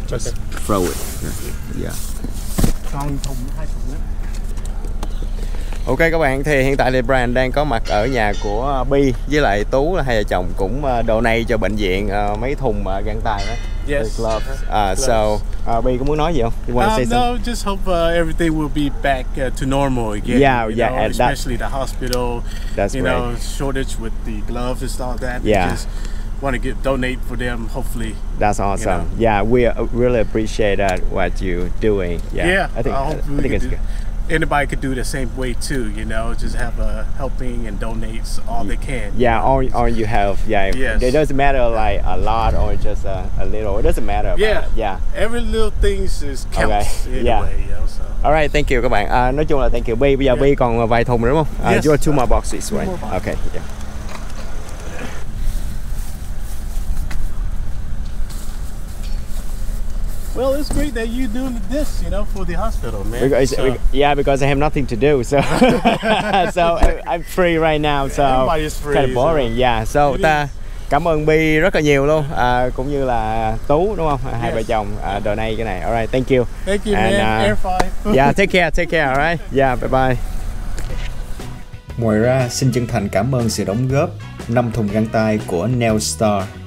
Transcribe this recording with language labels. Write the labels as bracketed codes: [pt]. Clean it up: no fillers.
[en] Just okay. Throw it. [vi] Ok các bạn, thì hiện tại thì Brian đang có mặt ở nhà của Bi với lại Tú, là hai vợ chồng cũng donate cho bệnh viện mấy thùng găng tay đó. Bi có muốn nói gì không? [en] Just hope everything will be back to normal again. Especially the hospital. That's you Know, shortage with the gloves and all that. Yeah. Just want to give, donate for them, hopefully. That's awesome. You know? Yeah, we really appreciate that, what you're doing. Yeah, yeah, I think it's good. Anybody could do the same way too, you know, just have a helping and donate all they can. Yeah, all you have. Yeah, yes. It doesn't matter like a lot or just a little. It doesn't matter. Yeah, it. Yeah. Every little thing is counts okay. Anyway. Yeah. All right, thank you, [vi] các bạn. Nói chung là [en] thank you. [vi] Bây giờ Bây còn vài thùng đúng không? [en] Yes. You have two more boxes, right? More boxes. Okay. Yeah. Well, it's great that you're doing this, you know, for the hospital, man. Because I have nothing to do, so so I'm free right now. So everybody's free. Kind of boring, so. Yeah. So it ta is. [vi] Cảm ơn Bi rất là nhiều luôn, cũng như là Tú đúng không? Hai vợ chồng donate cái này. [en] All right, thank you. Thank you, and, man. Air five. Yeah, take care. All right. Yeah, bye bye. [vi] Ngoài ra, xin chân thành cảm ơn sự đóng góp 5 thùng găng tay của Nail Star.